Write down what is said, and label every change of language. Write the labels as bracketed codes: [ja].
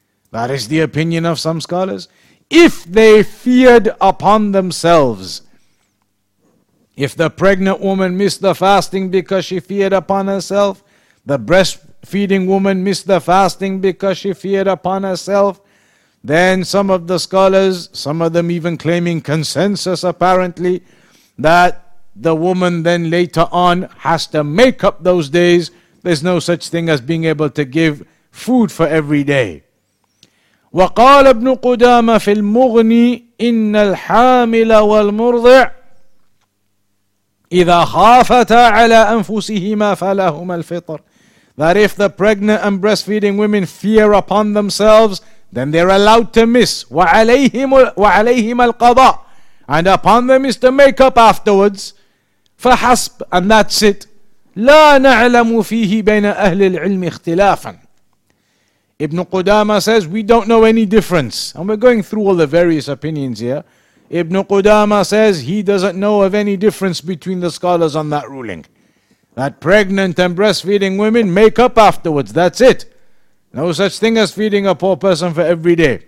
[en] That is the opinion of some scholars. If they feared upon themselves, if the pregnant woman missed the fasting because she feared upon herself, the breastfeeding woman missed the fasting because she feared upon herself, then some of the scholars, some of them even claiming consensus apparently, that the woman then later on has to make up those days. There's no such thing as being able to give food for every day. [ar] وقال ابن قدامة في المغني إن الحامل والمرضع إذا خافتا على أنفسهما فلهما الفطر. [en] That if the pregnant and breastfeeding women fear upon themselves, then they're allowed to miss. [ar] وعليهم القضاء. [en] And upon them is to make up afterwards. فحسب. And that's it. [ar] لا نعلم فيه بين أهل العلم اختلافا. [en] Ibn Qudama says, we don't know any difference. And we're going through all the various opinions here. Ibn Qudama says he doesn't know of any difference between the scholars on that ruling. That pregnant and breastfeeding women make up afterwards. That's it. No such thing as feeding a poor person for every day.